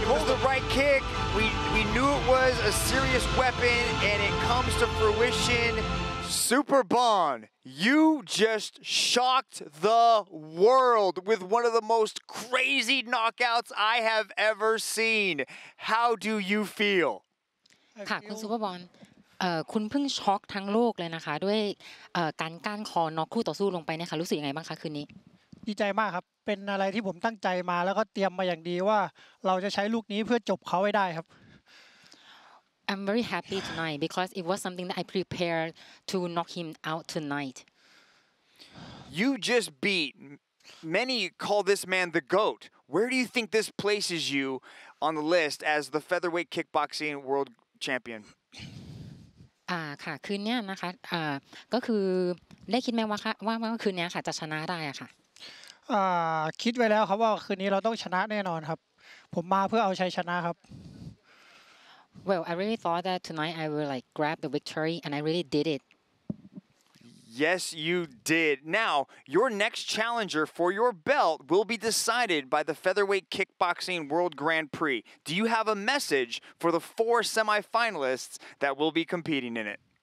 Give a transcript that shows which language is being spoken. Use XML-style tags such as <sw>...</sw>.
<en>called the right kick. We knew it was a serious weapon, and it comes to fruition. Superbon, you just shocked the world with one of the most crazy knockouts I have ever seen. How do you feel?</en> <th>ค่ะคุณซูเปอร์บอนคุณเพิ่งช็อกทั้งโลกเลยนะคะด้วยการก้านคอน็อกคู่ต่อสู้ลงไปนะคะรู้สึกยังไงบ้างคะคืนนี้ดีใจมากครับเป็นอะไรที่ผมตั้งใจมาแล้วก็เตรียมมาอย่างดีว่าเราจะใช้ลูกนี้เพื่อจบเขาให้ได้ครับ</th> <en>I'm very happy tonight because it was something that I prepared to knock him out tonight. You just beat. Many call this man the GOAT. Where do you think this places you on the list as the featherweight kickboxing world champion?</en> <th>ค่ะคืนนี้นะคะก็คือได้คิดไหมว่าคืนนี้ค่ะจะชนะได้อะค่ะ คิดไว้แล้วครับว่าคืนนี้เราต้องชนะแน่นอนครับผมมาเพื่อเอาชัยชนะครับ</th> <en>Well, I really thought that tonight I would like grab the victory, and I really did it. Yes, you did. Now, your next challenger for your belt will be decided by the Featherweight Kickboxing World Grand Prix. Do you have a message for the four semifinalists that will be competing in it?</en>